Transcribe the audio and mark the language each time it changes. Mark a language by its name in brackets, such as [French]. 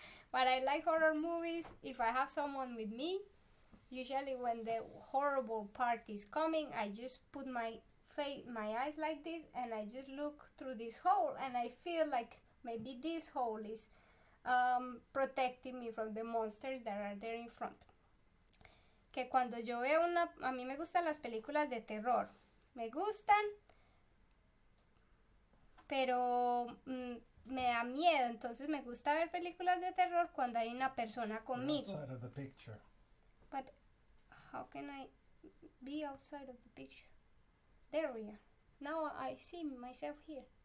[English] But I like horror movies if I have someone with me. Usually when the horrible part is coming, I just put my eyes like this, and I just look through this hole, and I feel like maybe this hole is protecting me from the monsters that are there in front. [Spanish] Que cuando yo veo una, a mí me gustan las películas de terror, me gustan, pero me da miedo, entonces me gusta ver películas de terror cuando hay una persona conmigo. [English] Outside of the picture. But how can I be outside of the picture? There we are. Now I see myself here.